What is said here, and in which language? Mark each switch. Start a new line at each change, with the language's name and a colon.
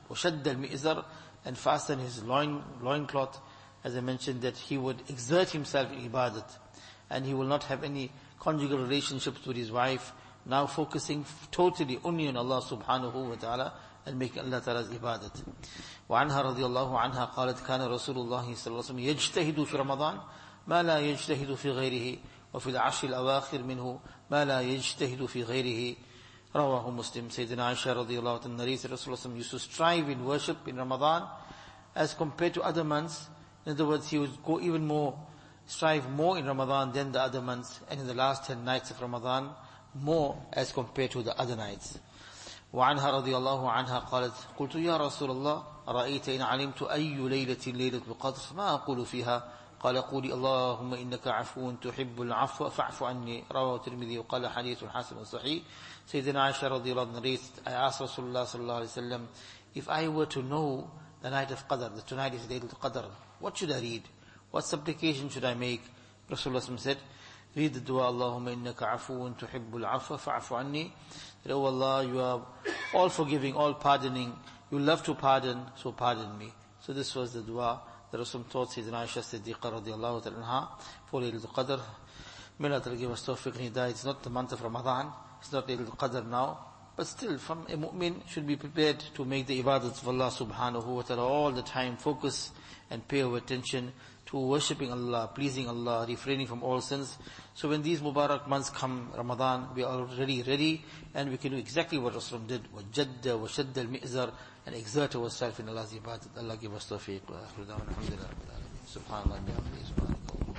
Arabic: وَشَدَّ الْمِئِزَرْ,
English: and fasten his loincloth, as I mentioned, that he would exert himself in ibadat. And he will not have any conjugal relationships with his wife, now focusing totally only on Allah subhanahu wa ta'ala and making Allah ta'ala's ibadat.
Arabic: وعنها رضي الله عنها قالت كان رسول الله صلى الله عليه وسلم يجتهد في رمضان ما لا يجتهد في غيره وفي العشر الأواخر منه ما لا يجتهد في غيره. رواه مسلم. سيدنا عائشة رضي الله عنها رسول الله صلى الله عليه وسلم
English: used to strive in worship in Ramadan as compared to other months. In other words, he would go even more, strive more in Ramadan than the other months, and in the last 10 nights of Ramadan more as compared to the other nights.
Arabic: وعنها رضي الله عنها قالت قلت يا رسول الله رأيت إن علمت أي ليلة ليلة القدر ما أقول فيها؟ قال قولي اللهم إنك عفو تحب العفو فاعف عني. رواه الترمذي. وقال حديث حسن صحيح. سيدنا عائشة رضي الله عنها,
English: I asked
Arabic: رسول الله صلى الله عليه وسلم,
English: if I were to know the night of Qadr, that tonight is Laylatul Qadr, what should I read? What supplication should I make? Rasulullah
Arabic: صلى الله عليه وسلم
English: said, read the dua,
Arabic: اللهم إنك عفو تحب العفو فاعف عني.
English: That, oh Allah, you are all forgiving, all pardoning. You love to pardon, so pardon me. So this was the dua that Rasul taught Sayyidina Aisha Siddiqa radiallahu ta'ala anha for Laylatul Qadr. May Allah ta'ala give us tawfiq and hidayah. It's not the month of Ramadan. It's not Laylatul Qadr now. But still, from a mu'min should be prepared to make the ibadat of Allah subhanahu wa ta'ala all the time, focus and pay our attention to worshipping Allah, pleasing Allah, refraining from all sins. So when these Mubarak months come, Ramadan, we are already ready and we can do exactly what Rasulullah did.
Arabic: وَجَدَّ وَشَدَّ الْمِئْزَرِ,
English: and exert ourselves in Allah's ibadat. Allah give us tawfiq.
Arabic: وَأَخْرُ دَوَانَ الْحَمْدِ لَلَّهِ سُبْحَانَ اللَّهِ بِعَمْدِهِ سُبْحَانَ اللَّهِ.